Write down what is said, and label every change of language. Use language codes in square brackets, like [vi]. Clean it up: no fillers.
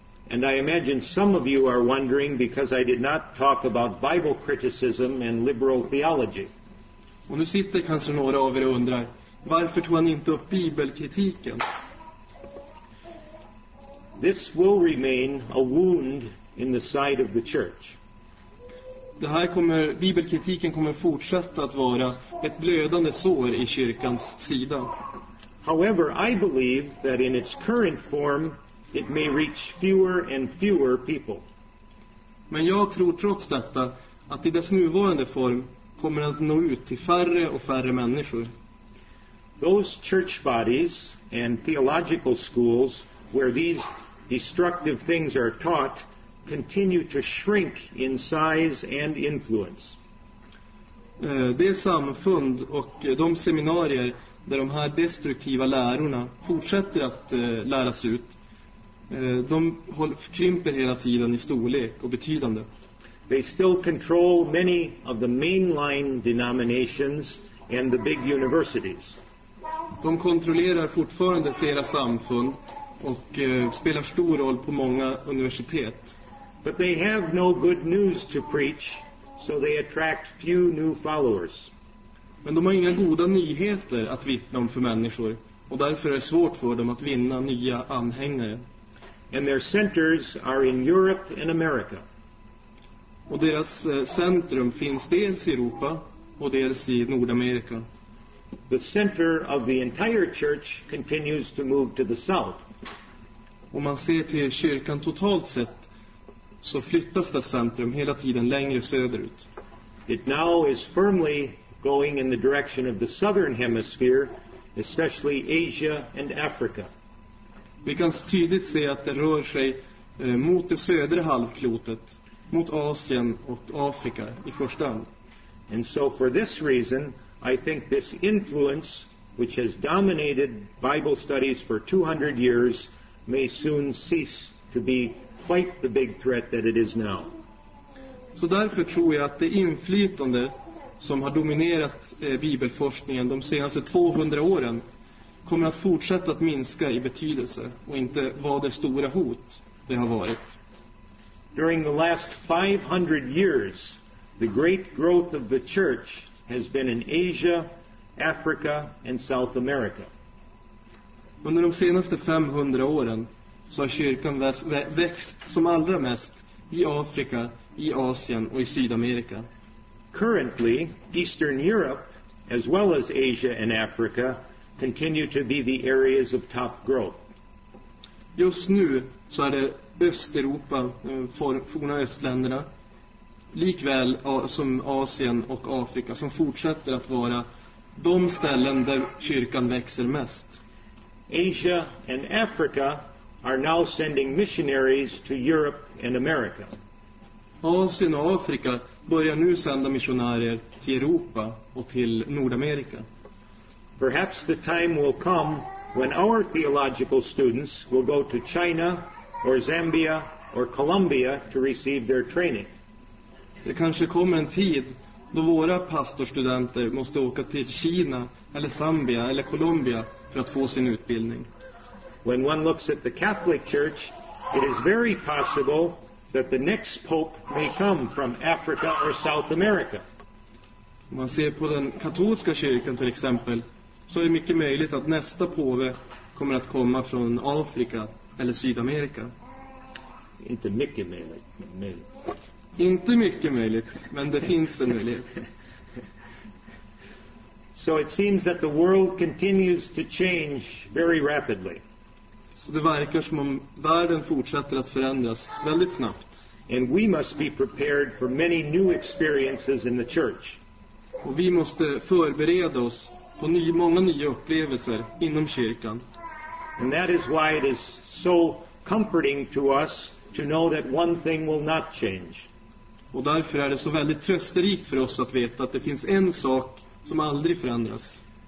[en] And I imagine some of you are wondering because I did not talk about Bible criticism and liberal theology. [sv] Och nu sitter kanske några av er och undrar, varför tog han inte upp bibelkritiken? [en] This will remain a wound in the side of the church. [sv] Det här kommer, bibelkritiken kommer fortsätta att vara ett blödande sår i kyrkans sida. [en] However, I believe that in its current form it may reach fewer and fewer people. [sv] Men jag tror trots detta att i dess nuvarande form kommer att nå ut till färre och färre människor. [en] Those church bodies and theological schools where these destructive things are taught continue to shrink in size and influence. [sv] Det samfund och de seminarier där de här destruktiva lärorna fortsätter att läras ut, de krymper hela tiden i storlek och betydande. [en] They still control many of the mainline denominations and the big universities. [sv] De kontrollerar fortfarande flera samfund och spelar stor roll på många universitet. [en] But they have no good news to preach, so they attract few new followers. [sv] Men de har inga goda nyheter att vittna om för människor, och därför är det svårt för dem att vinna nya anhängare. [en] And their centers are in Europe and America. [sv] Och deras centrum finns dels i Europa och dels i Nordamerika. [en] The center of the entire church continues to move to the south. [sv] Om man ser till kyrkan totalt sett så flyttas det centrum hela tiden längre söderut. [en] It now is firmly going in the direction of the southern hemisphere, especially Asia and Africa. [sv] Vi kan tydligt se att det rör sig mot det södra halvklotet, mot Asien och Afrika i första hand. [en] And so for this reason, I think this influence, which has dominated Bible studies for 200 years, may soon cease to be quite the big threat that it is now. [sv] Så därför tror jag att det inflytande som har dominerat bibelforskningen de senaste 200 åren kommer att fortsätta att minska i betydelse och inte vara det stora hot det har varit. [en] During the last 500 years, the great growth of the church has been in Asia, Africa and South America. [sv] Under de senaste 500 åren så har kyrkan växt som allra mest i Afrika, i Asien och i Sydamerika. [en] Currently, Eastern Europe as well as Asia and Africa continue to be the areas of top growth. [sv] Just nu så är det Östeuropa, forna östländerna, likväl som Asien och Afrika, som fortsätter att vara de ställen där kyrkan växer mest. [en] Asia and Africa are now sending missionaries to Europe and America. [sv] Asien och Afrika börjar nu sända missionärer till Europa och till Nordamerika. [en] Perhaps the time will come when our theological students will go to China or Zambia or Colombia to receive their training. [sv] Det kanske kommer en tid då våra pastorstudenter måste åka till Kina eller Zambia eller Colombia för att få sin utbildning. [en] When one looks at the Catholic Church, it is very possible that the next pope may come from Africa or South America. [sv] Om man ser på den katolska kyrkan till exempel, så är det mycket möjligt att nästa påve kommer att komma från Afrika eller Sydamerika. Inte mycket möjligt. Inte mycket möjligt, men det finns en möjlighet. [en] So it seems that the world continues to change very rapidly. [sv] Så det verkar som om världen fortsätter att förändras väldigt snabbt. [en] And we must be prepared for many new experiences in the church. [sv] Och vi måste förbereda oss på många nya upplevelser inom kyrkan. [en] And that is why it is so comforting to us to know that one thing will not change. [sv] Och därför är det så väldigt trösterikt för oss att veta att det finns en sak som aldrig förändras.